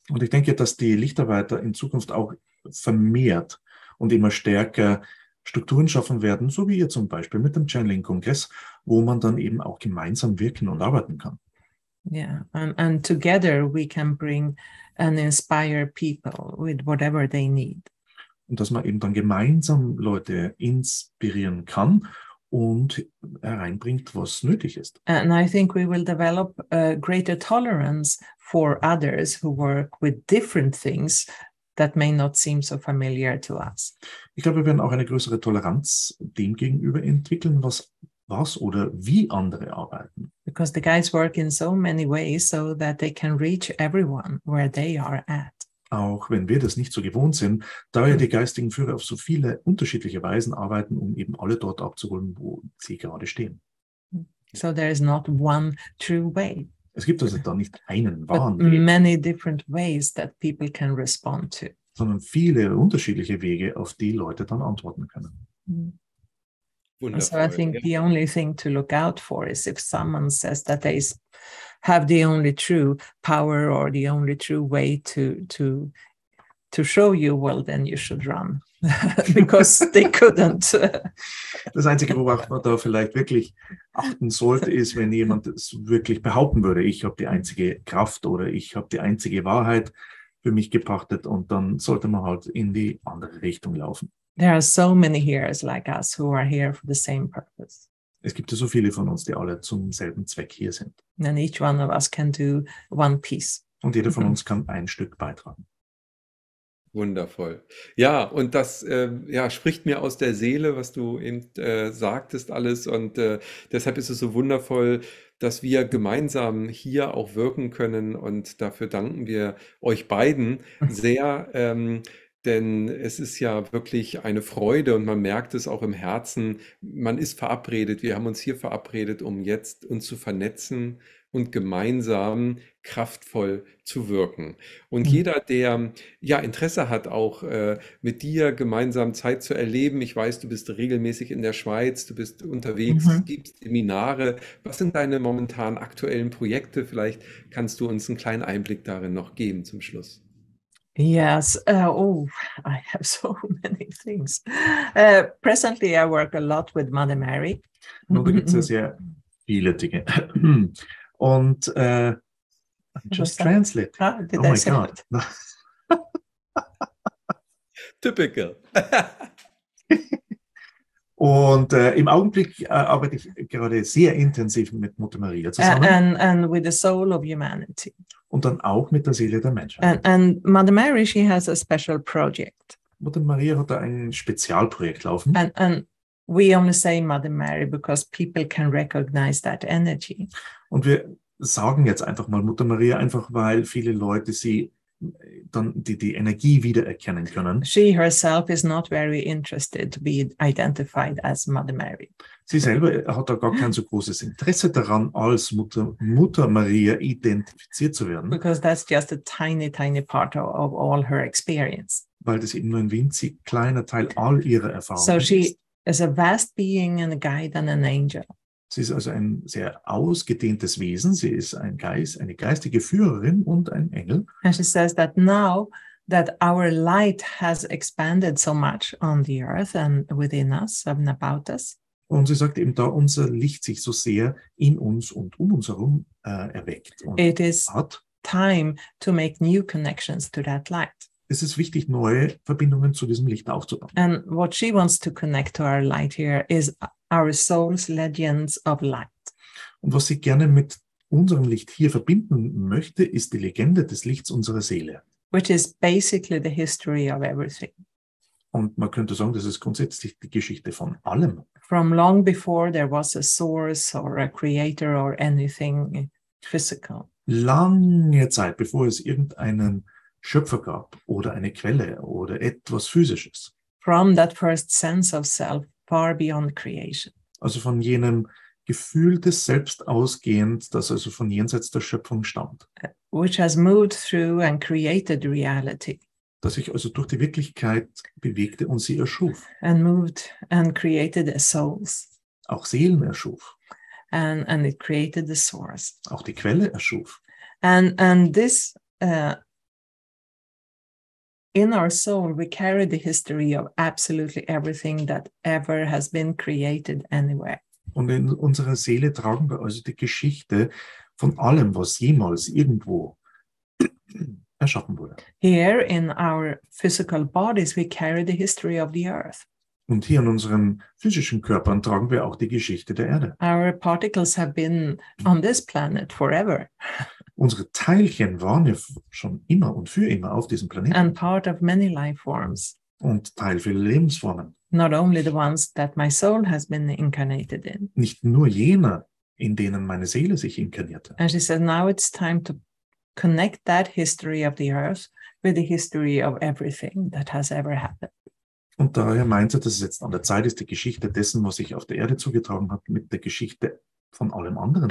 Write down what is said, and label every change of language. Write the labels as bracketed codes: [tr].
[de] Und ich denke, dass die Lichtarbeiter in Zukunft auch vermehrt und immer stärker Strukturen schaffen werden, so wie ihr zum Beispiel mit dem Channeling Kongress, wo man dann eben auch gemeinsam wirken und arbeiten kann. [en] Yeah, and together we can bring and inspire people with whatever they need. [de] Und dass man eben dann gemeinsam Leute inspirieren kann und hereinbringt, was nötig ist. [en] And I think we will develop a greater tolerance for others who work with different things that may not seem so familiar to us. [de] Ich glaube, wir werden auch eine größere Toleranz dem gegenüber entwickeln, was oder wie andere arbeiten. [en] Because the guys work in so many ways, so that they can reach everyone where they are at. [de] Auch wenn wir das nicht so gewohnt sind, da ja die geistigen Führer auf so viele unterschiedliche Weisen arbeiten, um eben alle dort abzuholen, wo sie gerade stehen. [en] So there is not one true way. [de] Es gibt also da nicht einen wahren Weg. [en] Many different ways that people can respond to. [de] Sondern viele unterschiedliche Wege, auf die Leute dann antworten können. [en] So I think the only thing to look out for is if someone says that they have the only true power or the only true way to show you, well, then you should run, because they couldn't. [de] Das Einzige, worauf man da vielleicht wirklich achten sollte, ist, wenn jemand es wirklich behaupten würde, ich habe die einzige Kraft oder ich habe die einzige Wahrheit für mich gepachtet, und dann sollte man halt in die andere Richtung laufen. [en] There are so many hearers like us who are here for the same purpose. [de] Es gibt so viele von uns, die alle zum selben Zweck hier sind. [en] And each one of us can do one piece. [de] Und jeder von uns kann ein Stück beitragen. Wundervoll. Ja, und das ja, spricht mir aus der Seele, was du eben sagtest alles. Und deshalb ist es so wundervoll, dass wir gemeinsam hier auch wirken können. Und dafür danken wir euch beiden sehr. Denn es ist ja wirklich eine Freude und man merkt es auch im Herzen. Man ist verabredet. Wir haben uns hier verabredet, um jetzt uns zu vernetzen und gemeinsam kraftvoll zu wirken. Und jeder, der ja Interesse hat, auch mit dir gemeinsam Zeit zu erleben. Ich weiß, du bist regelmäßig in der Schweiz, du bist unterwegs, gibst Seminare. Was sind deine momentan aktuellen Projekte? Vielleicht kannst du uns einen kleinen Einblick darin noch geben zum Schluss. [en] Yes. I have so many things. Presently, I work a lot with Mother Mary. [de] Nun, da gibt es ja sehr viele Dinge. Und [en] just translate. Ah, did oh I my say God. Typical. [de] Und im Augenblick arbeite ich gerade sehr intensiv mit Mutter Maria zusammen. [en] And with the soul of humanity. [de] Und dann auch mit der Seele der Menschheit. [en] And Mother Mary, she has a special project. [de] Mutter Maria hat da ein Spezialprojekt laufen. [en] And we only say Mother Mary because people can recognize that energy. [de] Und wir sagen jetzt einfach mal Mutter Maria, einfach weil viele Leute sie dann die Energie wiedererkennen können. [en] She herself is not very interested to be identified as Mother Mary. [de] Sie selber hat da gar kein so großes Interesse daran, als Mutter Maria identifiziert zu werden. [en] Because that's just a tiny, tiny part of all her experience. [de] Weil das eben nur ein winzig kleiner Teil all ihrer Erfahrung so ist. [en] So she is a vast being and a guide and an angel. [de] Sie ist also ein sehr ausgedehntes Wesen. Sie ist ein Geist, eine geistige Führerin und ein Engel. [en] And she says that now that our light has expanded so much on the earth and within us and about us. [de] Und sie sagt eben, da unser Licht sich so sehr in uns und um uns herum erweckt und [en] it is hat, time to make new connections to that light. [de] Es ist wichtig, neue Verbindungen zu diesem Licht aufzubauen. [en] And what she wants to connect to our light here is our soul's legends of light. [de] Und was sie gerne mit unserem Licht hier verbinden möchte, ist die Legende des Lichts unserer Seele. [en] Which is basically the history of everything. [de] Und man könnte sagen, das ist grundsätzlich die Geschichte von allem. [en] From long before there was a source or a creator or anything physical. [de] Lange Zeit, bevor es irgendeinen Schöpfer gab oder eine Quelle oder etwas Physisches. [en] From that first sense of self, far beyond creation. [de] Also von jenem Gefühl des Selbst ausgehend, das also von jenseits der Schöpfung stammt. [en] Which has moved through and created reality. [de] Dass sich also durch die Wirklichkeit bewegte und sie erschuf. [en] And moved and created souls. [de] Auch Seelen erschuf. [en] And it created the source. [de] Auch die Quelle erschuf. [en] And this in our soul we carry the history of absolutely everything that ever has been created anywhere. [de] Und in unserer Seele tragen wir also die Geschichte von allem, was jemals irgendwo erschaffen wurde. [en] Here in our physical bodies we carry the history of the earth. [de] Und hier in unseren physischen Körpern tragen wir auch die Geschichte der Erde. [en] Our particles have been on this planet forever. [de] Unsere Teilchen waren ja schon immer und für immer auf diesem Planeten. [en] And part of many life forms. [de] Und Teil vieler Lebensformen. [en] Not only the ones that my soul has been incarnated in. [de] Nicht nur jene, in denen meine Seele sich inkarnierte. [en] And she said, now it's time to connect that history of the earth with the history of everything that has ever happened. [de] Und daher meint sie, dass es jetzt an der Zeit ist, die Geschichte dessen, was sich auf der Erde zugetragen hat, mit der Geschichte von allem anderen